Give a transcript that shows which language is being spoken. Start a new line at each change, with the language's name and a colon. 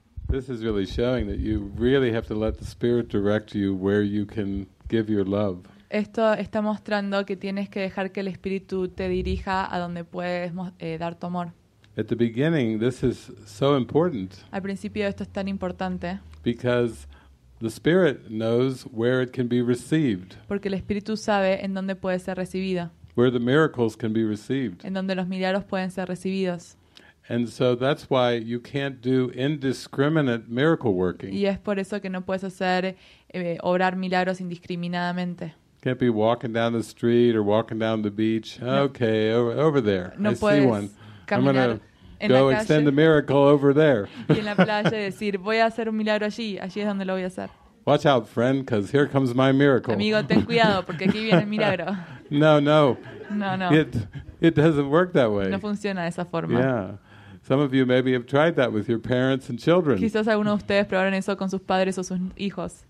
English: This is really showing that you really have to let the Spirit direct you where you can give your love.
Spanish: Esto está mostrando que tienes que dejar que el Espíritu te dirija a donde puedes dar tu amor.
English: At the beginning, this is so important.
Spanish: Al principio esto es tan importante.
English: Because the Spirit knows where it can be received.
Spanish: Porque el Espíritu sabe en dónde puede ser recibido.
English: Where the miracles can be received.
Spanish: En donde los milagros pueden ser recibidos.
English: And so that's why you can't do indiscriminate miracle working.
Spanish: Y es por eso que no puedes hacer obrar milagros indiscriminadamente.
English: Can't be walking down the street or walking down the beach. No. Okay, over there. No, I see one. I'm going to go extend the miracle over there.
Spanish: Y en la playa decir, voy a hacer un milagro allí. Allí es donde lo voy a hacer.
English: Watch out, friend, because here comes my miracle.
Spanish: Amigo, ten cuidado, porque aquí viene el milagro.
English: No. It doesn't work that way.
Spanish: No funciona de esa forma.
English: Yeah. Some of you maybe have tried that with your parents and children.
Spanish: Quizás algunos de ustedes probaron eso con sus padres o sus hijos.